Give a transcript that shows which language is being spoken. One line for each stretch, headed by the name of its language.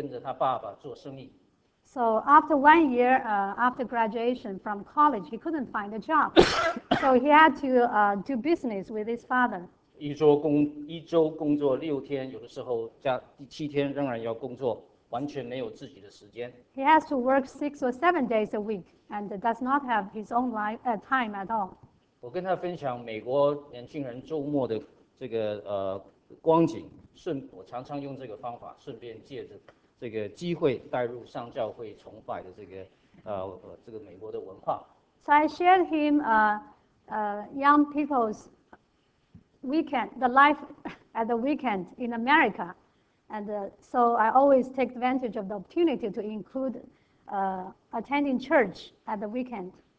Chinese: 他大学毕业一年了，找不到工作，只好再跟着他爸爸做生意。
English: So after 1 year, after graduation from college, he couldn't find a job. So he had to do business with his father.
Chinese: 一周工作六天，有的时候加第七天仍然要工作，完全没有自己的时间。
English: He has to work 6 or 7 days a week and does not have his own life time at all.
Chinese: 我跟他分享美国年轻人周末的这个光景，我常常用这个方法，顺便借着这个机会带入上教会崇拜的这个美国的文化。
English: So I shared him young people's weekend, the life at the weekend in America. And so I always take advantage of the opportunity to include attending church at the weekend.